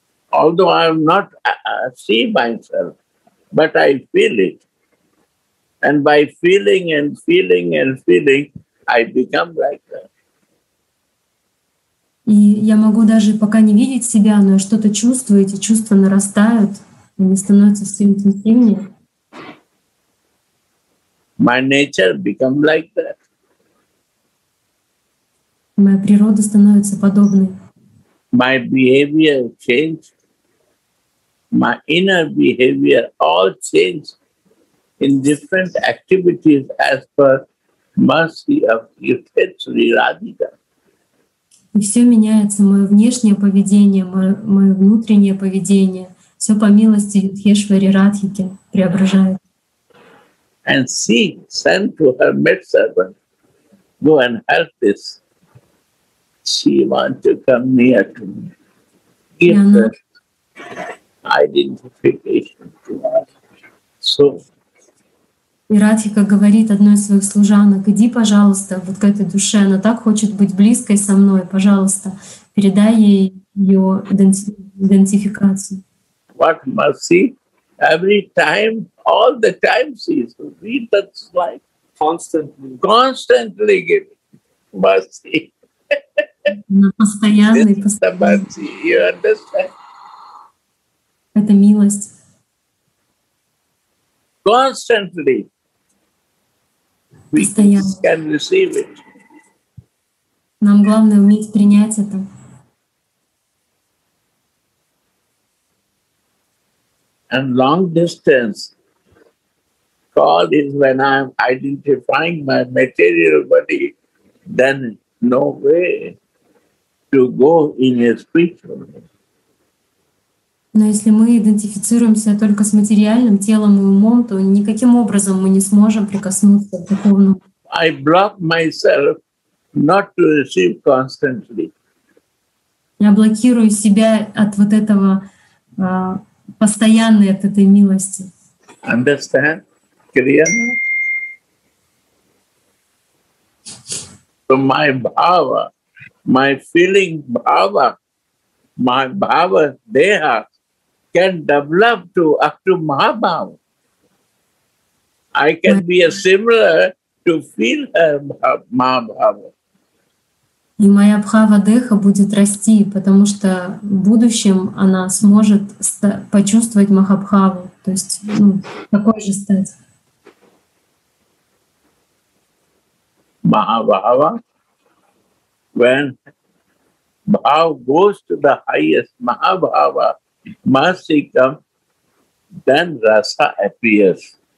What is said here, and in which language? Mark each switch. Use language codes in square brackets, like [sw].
[en] Although I am not see myself, but I feel it. And by feeling and feeling and feeling, I become like that. [ru] И я могу даже пока не видеть себя, но я что-то чувствую, эти чувства нарастают, они становятся все интенсивнее. [en] My nature become like that. [ru] Моя природа становится подобной. [en] My behavior change. My inner behavior all change in different activities as per mercy of Yukteswari Radhika. [ru] И все меняется, мое внешнее поведение, мое внутреннее поведение, все по милости Юдхешвари Радхики преображает. [en] And see, send to her maidservant, go and help this. She want to come near to me. Give her identification to us. So. [ru] И Радхика говорит одной из своих служанок: иди, пожалуйста, вот к этой душе, она так хочет быть близкой со мной, пожалуйста, передай ей ее идентификацию. [en] What mercy? Every time, all the time she is read that slide. Constantly giving mercy. [ru] Постоянный, [en] You understand? [ru] Это милость. [en] Constantly. [ru] Постоянно. [en] We can receive it. [ru] Нам главное уметь принять это. [en] And long distance call is when I'm identifying my material body, then no way to go in a spiritual way. [ru] Но если мы идентифицируемся только с материальным телом и умом, то никаким образом мы не сможем прикоснуться к духовному. [en] I block myself not to receive constantly. [ru] Я блокирую себя от вот этого постоянной от этой милости. [en] Understand? Clear? So my bhava, my feeling bhava, my bhava deha can develop to up to Mahabhava. I can be a similar to feel her Mahabhava. [ru] И моя бхава деха будет расти, потому что в будущем она сможет почувствовать Махабхаву, то есть ну, такой же стать. [en] Mahabhava, when bhav goes to the highest Mahabhava, mercy comes, then rasa appears.